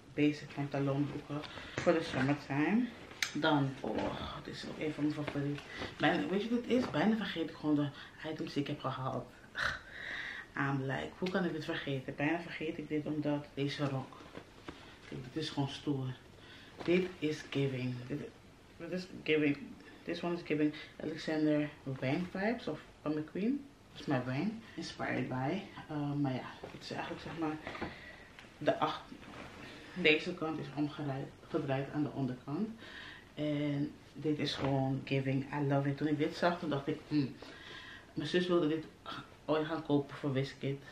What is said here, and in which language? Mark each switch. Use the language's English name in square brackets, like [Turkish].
[Dutch] Basic pantalonbroeken voor de summertime. Dan, oh, dit is ook een van mijn favorieten. Weet je wat het is? Bijna vergeet ik gewoon de items die ik heb gehaald. [English] I'm like, [Dutch] hoe kan ik dit vergeten? Bijna vergeet ik dit omdat deze rok. Kijk, dit is gewoon stoer. Dit is giving. Dit is giving. [English] This one is giving Alexander Wang vibes of Pam McQueen. [Dutch] Dat is mijn Wang. [English] Inspired by. [Dutch] Maar ja, het is eigenlijk zeg maar de acht. Deze kant is omgedraaid aan de onderkant. En dit is gewoon giving. [English] I love it. [Dutch] Toen ik dit zag, toen dacht ik, mijn zus wilde dit ooit gaan kopen voor Wizkid.